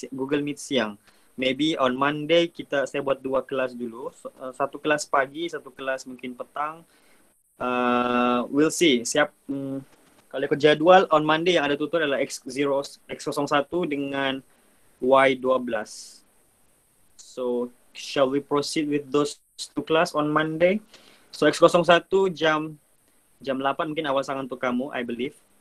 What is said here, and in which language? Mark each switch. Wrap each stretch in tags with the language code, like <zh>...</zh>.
<ms>Google Meet siang.</ms> <en>Maybe on Monday</en> <ms>saya buat dua kelas dulu. Satu kelas pagi, satu kelas mungkin petang.</ms> <en>We'll see.</en> <ms>Siap. Kalau ikut jadual,</ms> <en>on Monday</en> <ms>yang ada tutorial adalah X01 dengan Y12.</ms> <en>So, shall we proceed with those two class on Monday?</en> <ms>So, X01 jam 8 mungkin awal sangat untuk kamu,</ms> <en>I believe.</en>